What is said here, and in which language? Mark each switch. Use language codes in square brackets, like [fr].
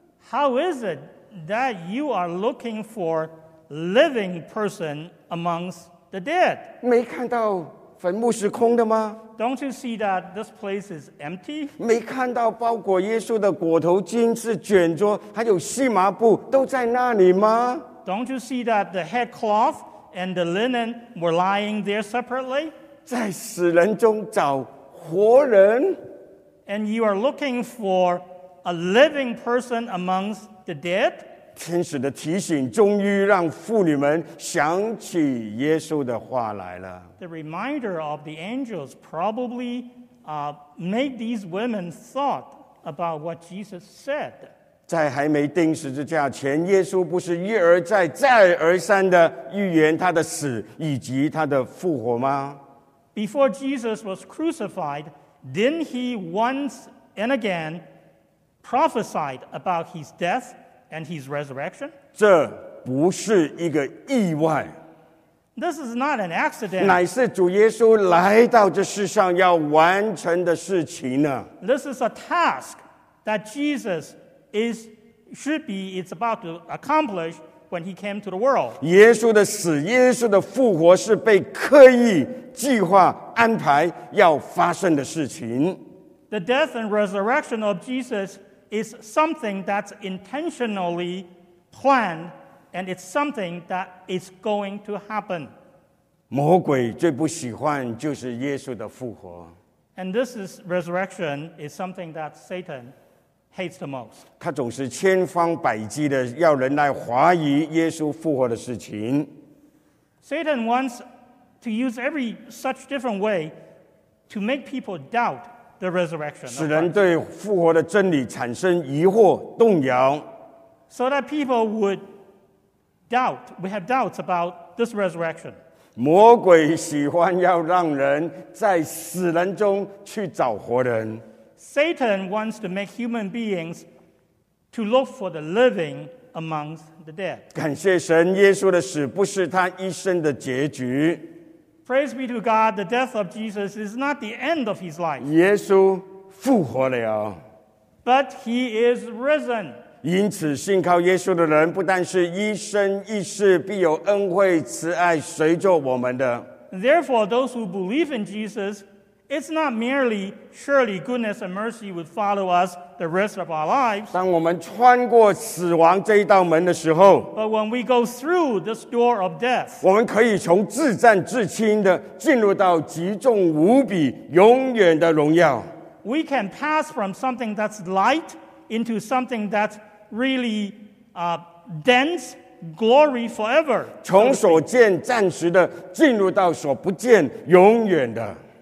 [en] How is it that you are looking for a living person amongst the dead? [zh] 没看到坟墓是空的吗？ [en] Don't you see that this place is empty? [zh] 没看到包裹耶稣的裹头巾是卷桌，还有细麻布都在那里吗？ [en] Don't you see that the head cloth and the linen were lying there separately? [zh] 在死人中找活人。 [en] And you are looking for a living person amongst the dead? [zh] 天使的提醒终于让妇女们想起耶稣的话来了。 [en] The reminder of the angels probably made these women thought about what Jesus said. [zh] 在还没钉十字架前，耶稣不是一而再、再而三地预言他的死以及他的复活吗？ [en] Before Jesus was crucified, didn't he once and again prophesied about his death and his resurrection? [zh] 这不是一个意外。 [en] This is not an accident. [zh] 乃是主耶稣来到这世上要完成的事情呢。 [en] This is a task that Jesus is about to accomplish when he came to the world. [zh] 耶稣的死、耶稣的复活是被刻意计划安排要发生的事情。 [en] The death and resurrection of Jesus is something that's intentionally planned. And it's something that is going to happen. [zh] 魔鬼最不喜欢就是耶稣的复活。 [en] And this is resurrection is something that Satan hates the most. [zh] 他总是千方百计的要人来怀疑耶稣复活的事情。 [en] Satan wants to use every such different way to make people doubt the resurrection. [zh] 使人对复活的真理产生疑惑、动摇。 [en] So that people would doubt. We have doubts about this resurrection. [zh] 魔鬼喜欢要让人在死人中去找活人。 [en] Satan wants to make human beings to look for the living amongst the dead. [zh] 感谢神，耶稣的死不是他一生的结局。 [en] Praise be to God, the death of Jesus is not the end of his life. [zh] 耶稣复活了。 [en] But he is risen. [zh] 因此信靠耶稣的人不但是一生一世必有恩惠慈爱随着我们的。 [en] Therefore, those who believe in Jesus, it's not merely surely goodness and mercy would follow us the rest of our lives. [zh] 当我们穿过死亡这一道门的时候， [en] But when we go through this door of death, [zh] 我们可以从至暂至轻的进入到极重无比永远的荣耀。 [en] We can pass from something that's light into something that's really dense glory forever. [zh] 从所见暂时的进入到所不见永远的。